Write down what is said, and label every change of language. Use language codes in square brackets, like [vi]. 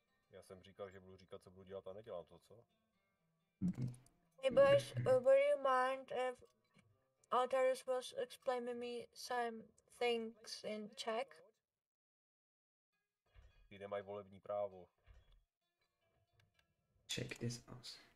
[cs] Já jsem říkal, že budu říkat, co budu dělat, a nedělám to, co? [en] Hey boys, would you mind if Altarus was explaining me some things in Czech? [cs] Ty nemají volební právo. [en] Check this out.